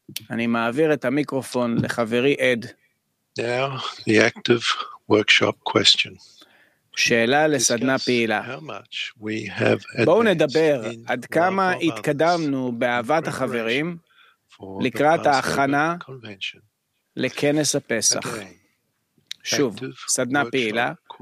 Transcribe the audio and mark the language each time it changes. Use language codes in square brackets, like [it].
[he] אני מעביר את המיקרופון לחברי עד. [en] Now, the active workshop question. [he] שאלה לסדנה פעילה. בואו נדבר עד כמה התקדמנו באהבת החברים לקראת ההכנה לכנס הפסח. שוב, סדנה פעילה.